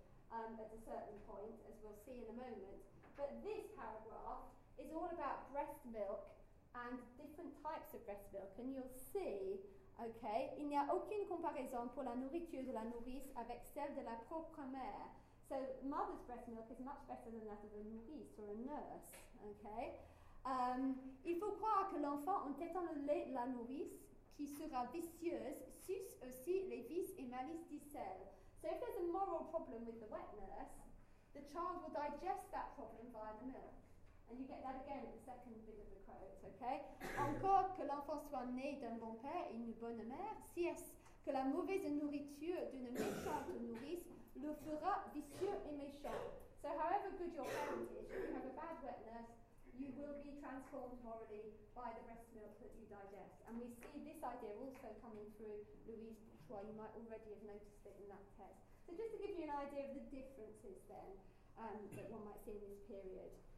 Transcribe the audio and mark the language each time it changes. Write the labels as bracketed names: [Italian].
[English] At a certain point, as we'll see in a moment. But this paragraph is all about breast milk and different types of breast milk. And you'll see, [French] okay, il n'y a aucune comparaison pour la nourriture de la nourrice avec celle de la propre mère. [English] So mother's breast milk is much better than that of a nourrice or a nurse, okay? [French] Il faut croire que l'enfant, en tétant le lait de la nourrice, qui sera vicieuse, suce aussi les vices et malices du sel. [English] So if there's a moral problem with the wet nurse, the child will digest that problem via the milk. And you get that again in the second bit of the quote, okay? [French] Encore que l'enfant soit soit né d'un bon père et une bonne mère, si est-ce que la mauvaise nourriture d'une méchante nourrice le fera vicieux et méchant. [English] So however good your parent is, if you have a bad wet nurse, you will be transformed morally by the breast milk that you digest. And we see this idea also coming through Louise Bourgeois. You might already have noticed it in that text. So just to give you an idea of the differences then that one might see in this period.